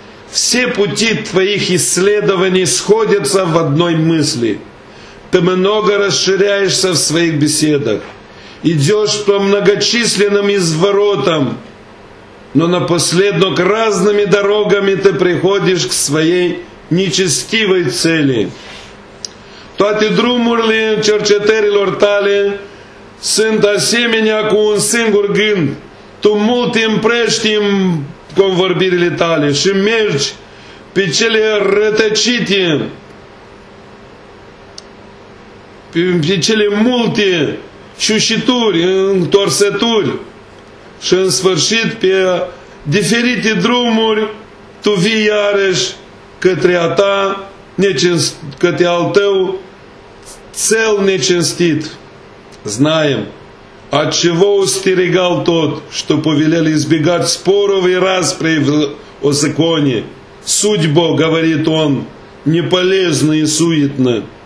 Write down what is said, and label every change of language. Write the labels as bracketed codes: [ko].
[ru] Все пути твоих исследований сходятся в одной мысли. Ты много расширяешься в своих беседах. Идешь по многочисленным изворотам, но напоследок разными дорогами ты приходишь к своей нечестивой цели. [ro] Toate drumurile cercetărilor tale sunt asemenea cu un singur gând. Tu mult te împrești în convorbirile tale și mergi pe cele rătăcite, pe cele multe ciușituri, întorsături și în sfârșit pe diferite drumuri tu vii iarăși către a ta, către al tău, cel necinstit. [ru] Знаем, От чего устерегал тот, что повелели избегать споров и распри о законе? Судьбо, говорит он, неполезно и суетно.